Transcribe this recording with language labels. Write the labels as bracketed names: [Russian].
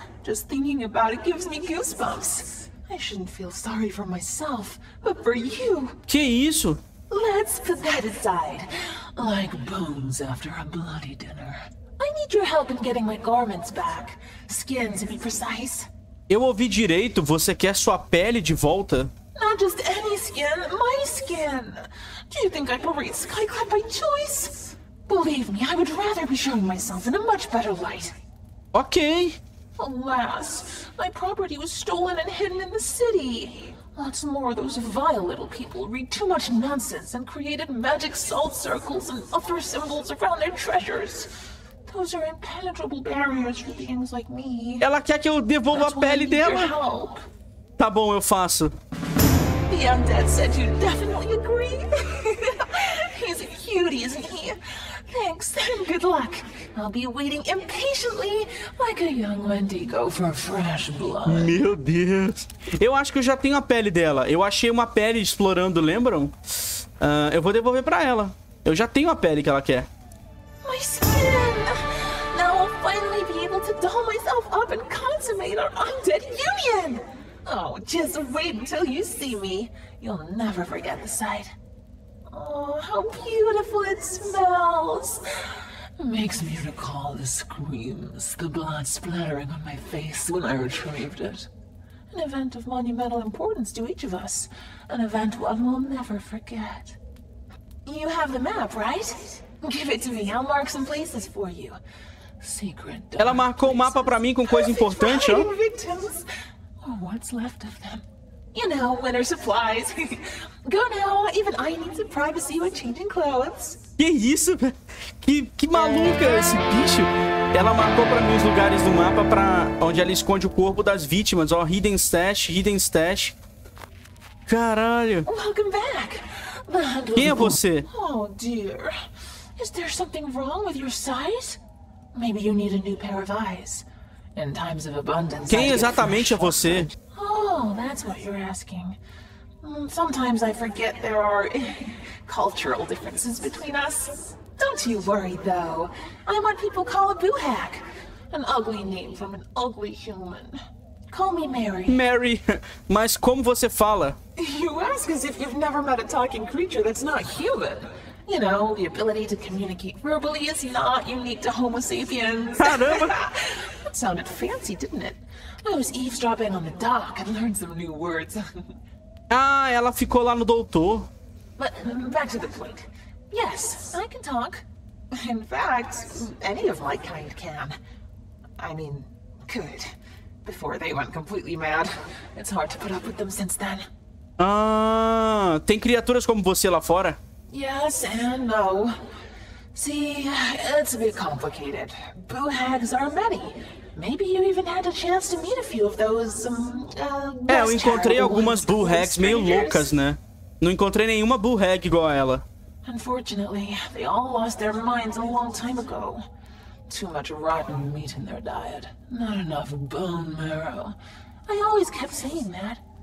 [English] Just thinking about it gives me goosebumps. I shouldn't feel sorry for myself, but for you. [Portuguese] Que isso? [English] Let's put that aside. Like bones after a bloody dinner. I need your help in getting my garments back. Skin, to be precise. [Portuguese] Eu ouvi direito, você quer sua pele de volta? [English] Not just any skin, my skin. Do you think I parade Skyclad by choice? Believe me, I would rather be showing myself in a much better light. Ok. Alas, my property was stolen and hidden in the city. Lots more of those vile little people read too much nonsense and created magic salt circles and other symbols around their treasures. Those are impenetrable barriers for beings like me. [Portuguese] Ela quer que eu devolva a pele dela? Tá bom, eu faço. [English] The undead said you definitely agree. He's a cutie, isn't he? Thanks, good luck. I'll be waiting impatiently like a young Wendigo for fresh blood. [Portuguese] Meu Deus. Eu acho que eu já tenho a pele dela. Eu achei uma pele explorando, lembram? Eu vou devolver pra ela. Eu já tenho a pele que ela quer. [English] My skin! Now I'll finally be able to doll myself up and consummate our undead union! Oh, just wait until you see me. You'll never forget the sight. Oh, how beautiful it smells. Makes me recall the screams, the blood splattering on my face when I retrieved it. An event of monumental importance to each of us. An event one will never forget. You have the map, right? Give it to me. I'll mark some places for you. Secret dark [Portuguese] Ela marcou [English] places. [Portuguese] O mapa pra mim com coisa importante, ó. [English] Victims, or what's left of them. You know, winter supplies. Go now, even I need some privacy when changing clothes. [Portuguese] Que isso, que maluca esse bicho. Ela marcou pra mim os lugares do mapa pra onde ela esconde o corpo das vítimas, ó. [English] Hidden stash, hidden stash. [Portuguese] Caralho. [English] Welcome back. [Portuguese] Quem é você? [English] Oh, dear. Is there something wrong with your sight? Maybe you need a new pair of eyes. In times of abundance. [Portuguese] Quem exatamente é você? [English] Oh, that's what you're asking. Sometimes I forget there are cultural differences between us. Don't you worry, though. I'm what people call a boo hack. An ugly name from an ugly human. Call me Mary. [Portuguese] Mary, mas como você fala? [English] You ask as if you've never met a talking creature that's not human. You know, the ability to communicate verbally is not unique to Homo sapiens. [Portuguese] Caramba! [English] That sounded fancy, didn't it? I was eavesdropping on the dock and learned some new words. [Portuguese] Ah, ela ficou lá no doutor. [English] But back to the point. Yes, I can talk. In fact, any of my kind can. I mean, could. Before they went completely mad. It's hard to put up with them since then. [Portuguese] Ah, tem criaturas como você lá fora? [English] Yes and no. See, it's a bit complicated. Boo hags are many. Maybe you even had a chance to meet a few of those, [Portuguese] eu encontrei algumas boo hags meio loucas, né? Não encontrei nenhuma boo hag igual a ela. [English] Unfortunately, they all lost their minds a long time ago. Too much rotten meat in their diet. Not enough bone marrow. I always kept saying that.